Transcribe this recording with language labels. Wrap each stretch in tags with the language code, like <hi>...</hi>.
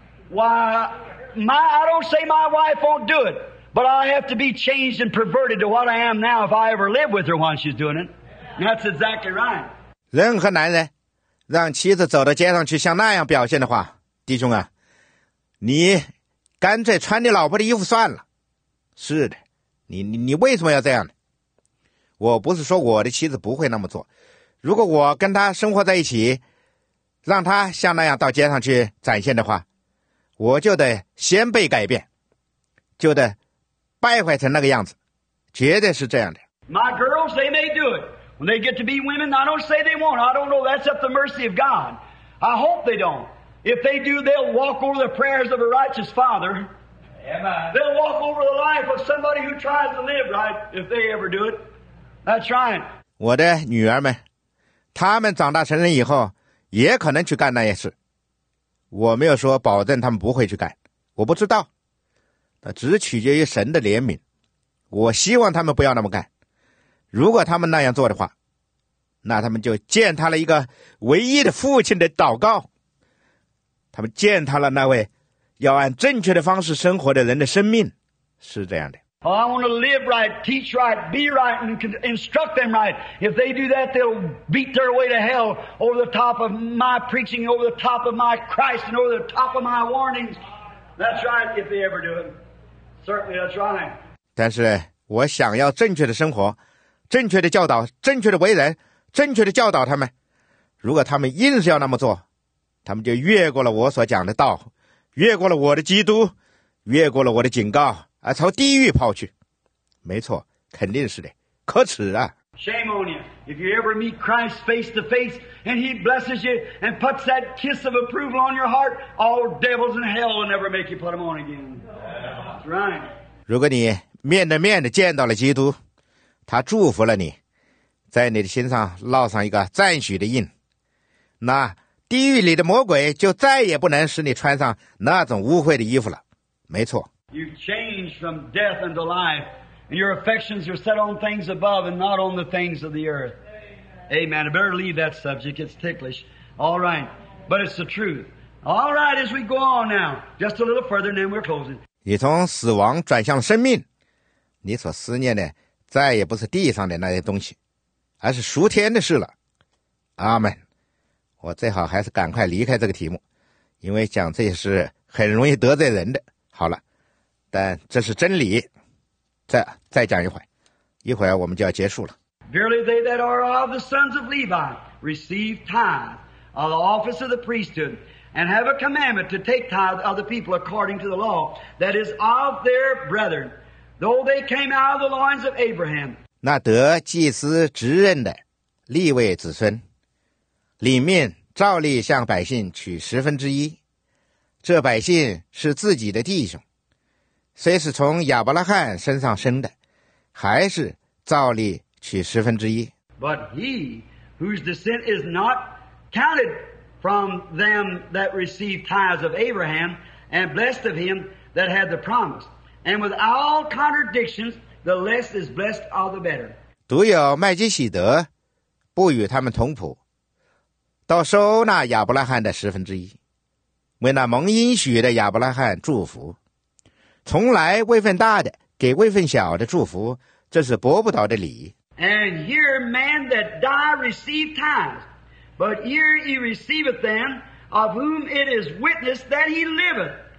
<en>I don't say my wife won't do it, but I have to be changed and perverted to what I am now if I ever live with her while she's doing it. That's exactly right.</en> <zh>任何男人。让妻子走到街上去像那样表现的话，弟兄啊，你干脆穿你老婆的衣服算了。是的，你为什么要这样呢？我不是说我的妻子不会那么做，如果我跟她生活在一起，让她像那样到街上去展现的话，我就得先被改变，就得败坏成那个样子，绝对是这样的。</zh> <en>My girls, they may do it. When they get to be women, I don't say they won't. I don't know. That's up to the mercy of God. I hope they don't. If they do, they'll walk over the prayers of a righteous father. Amen. They'll walk over the life of somebody who tries to live right, if they ever do it. That's right.</en> <zh>我的女儿们，她们长大成人以后，也可能去干那些事。我没有说保证她们不会去干，我不知道。那只取决于神的怜悯。我希望她们不要那么干。如果他们那样做的话，那他们就践踏了一个唯一的父亲的祷告，他们践踏了那位要按正确的方式生活的人的生命，是这样的。</zh> <en>I want to live right, teach right, be right, and instruct them right. If they do that, they'll beat their way to hell over the top of my preaching, over the top of my Christ, and over the top of my warnings. That's right, if they ever do it. Certainly, that's right.</en> <zh>但是我想要正确的生活，正确的教导，正确的为人，正确的教导他们。如果他们硬是要那么做，他们就越过了我所讲的道，越过了我的基督，越过了我的警告，而朝地狱跑去。没错，肯定是的，可耻啊。</zh> <en>Shame on you. If you ever meet Christ face to face and he blesses you and puts that kiss of approval on your heart, all devils in hell will never make you put them on again. That's right.</en> <zh>如果你面对面的见到了基督，他祝福了你，在你的心上烙上一个赞许的印，那地狱里的魔鬼就再也不能使你穿上那种污秽的衣服了。没错。</zh> <en>You've changed from death into life. And your affections are set on things above and not on the things of the earth. Amen. I better leave that subject. It's ticklish. All right. But it's the truth. All right, as we go on now, just a little further, and then we're closing.</en> <zh>你从死亡转向生命，你所思念的再也不是地上的那些东西，而是属天的事了。阿们。我最好还是赶快离开这个题目，因为讲这些事很容易得罪人的。好了，但这是真理。再讲一会儿，一会儿我们就要结束了。</zh> <en>Verily, they that are of the sons of Levi receive tithe of the office of the priesthood and have a commandment to take tithe of the people according to the law, that is of their brethren, though they came out of the loins of Abraham.</en> <zh>那得祭司职任的利未子孙，里面照例向百姓取十分之一，这百姓是自己的弟兄。虽是从亚伯拉罕身上生的，还是照例取十分之一。</zh> <en>But he whose descent is not counted from them that received tithes of Abraham and blessed of him that had the promise, and with all contradictions, the less is blessed of the better.</en> <zh>独有麦基洗德不与他们同谱，倒收纳亚伯拉罕的十分之一，为那蒙应许的亚伯拉罕祝福。从来位份大的给位份小的祝福，这是驳不倒的理。</zh> <en>And here man that die receive tithes, but here he receiveth them of whom it is witnessed that he liveth.</en>